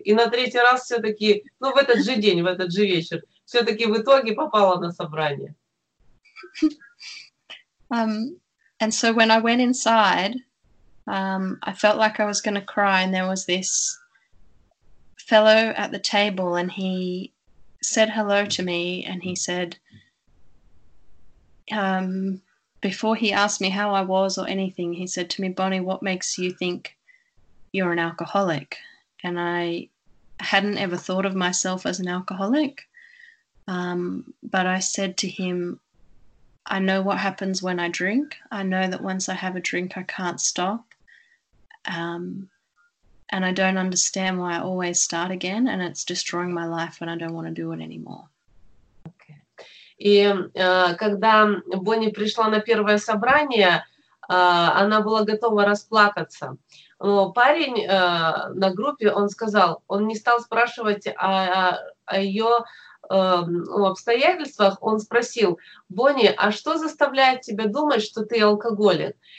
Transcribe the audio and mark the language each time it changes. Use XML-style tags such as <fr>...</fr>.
<ru>И на третий раз все-таки, ну в этот же день, в этот же вечер, все-таки в итоге попала на собрание.</ru> <en>And so when I went inside, I felt like I was going to cry, and there was this fellow at the table, and he said hello to me, and he said, before he asked me how I was or anything, he said to me, "Bonnie, what makes you think you're an alcoholic?" And I hadn't ever thought of myself as an alcoholic, but I said to him, "I know what happens when I drink. I know that once I have a drink, I can't stop. And I don't understand why I always start again, and it's destroying my life, and I don't want to do it anymore." Okay.</en> <ru>И когда Бонни пришла на первое собрание, она была готова расплакаться. Но парень на группе, он сказал, он не стал спрашивать о ее обстоятельствах, он спросил: "Бонни, а что заставляет тебя думать, что ты алкоголик?"</ru>